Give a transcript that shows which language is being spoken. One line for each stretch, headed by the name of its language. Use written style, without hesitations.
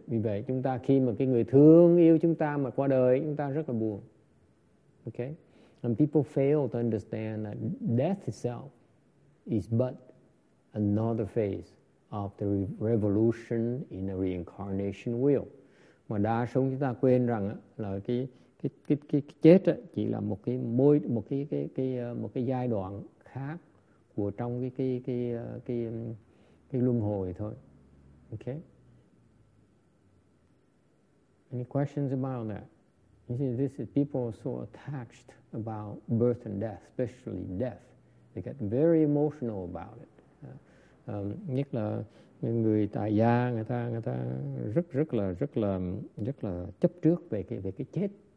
Vietnamese: Vì vậy chúng ta khi mà cái người thương yêu chúng ta mà qua đời, chúng ta rất là buồn.
English: Okay, and people fail to understand that death itself is but another phase of the revolution in a reincarnation wheel.
Vietnamese: Mà đa số chúng ta quên rằng là cái chết chỉ là một cái giai đoạn khác của trong cái luân hồi thôi.
English: Okay. Any questions about that? You see, this is people are so attached about birth and death, especially death. They get very emotional about it.
Vietnamese: Nhất là người tại gia người ta rất là chấp trước về cái chết.